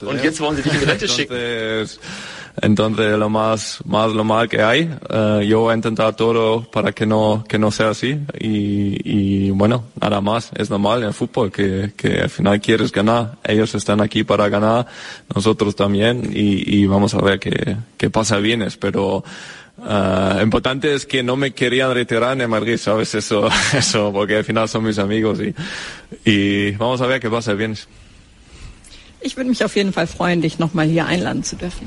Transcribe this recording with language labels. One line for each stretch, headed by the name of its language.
German: Und jetzt wollen sie dich in Rente schicken.
Spanish: Entonces, lo más normal que hay. Yo voy a intentar todo para que no sea así. Y bueno, nada más. Es normal en el fútbol que al final quieres ganar. Ellos están aquí para ganar. Nosotros también. Y vamos a ver qué pasa bien. Pero importante es que no me querían retirar en el Madrid, ¿sabes? Eso, porque al final son mis amigos y vamos a ver qué pasa bien.
German: Ich würde mich auf jeden Fall freuen, dich nochmal hier einladen zu dürfen.